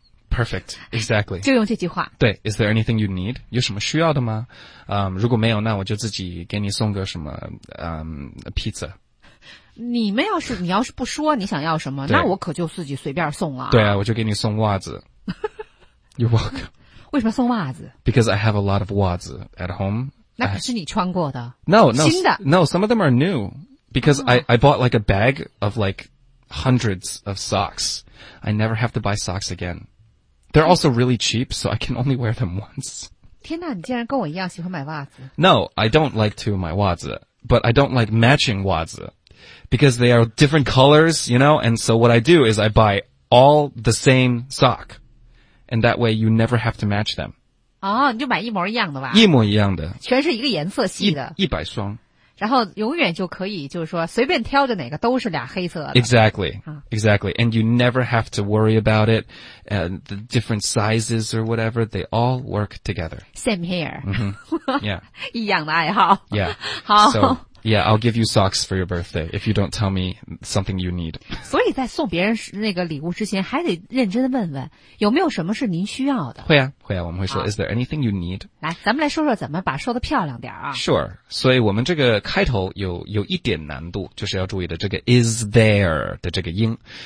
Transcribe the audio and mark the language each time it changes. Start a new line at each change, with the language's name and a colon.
English: Perfect, exactly.
Chinese: 就用这句话。对 ,
English: Is there anything you need?
Chinese: 有什么需要的吗？如果没有，那我就自己给你送个什么pizza。你要是不说你想要什么，那我可就自己随便送了。对啊，我就给你送袜子。
English: You're welcome.
Chinese: 为什么送袜子
English: ？Because I have a lot of 袜子 at home.
Chinese: 那可是你穿过的。
English: No,
Chinese: 新的。
English: No, some of them are new. Because I bought like a bag of like hundreds of socks. I never have to buy socks again. They're also really cheap, so I can only wear them once.
Chinese: 天哪，你竟然跟我一样喜欢买袜子。
English: No, I don't like to 买袜子 but I don't like matching 袜子 because they are different colors, you know, and so what I do is I buy all the same sock, and that way you never have to match them.
Chinese: 哦，你就买一模一样的袜。一模一样的。全是一个颜色系的。一百双。然后永远就可以就是说随便挑着哪个都是俩黑色的。
English: Exactly, exactly. And you never have to worry about it. And the different sizes or whatever, they all work together. Same here.、 Mm-hmm. Yeah.
Chinese: 一样的爱好。
English: Yeah.
Chinese: 好。
English: So, yeah, I'll give you socks for your birthday if you don't tell me something you need.
Chinese: 所以在送别人那个礼物之前还得认真的问问有没有什么是您需要的。会啊会啊我们会说
English: is there anything you need?
Chinese: 来咱们来说说怎么把说得漂亮点啊。 Sure. 所以我们这个开头有一点难度就是要注意的这个 is there 的这个音。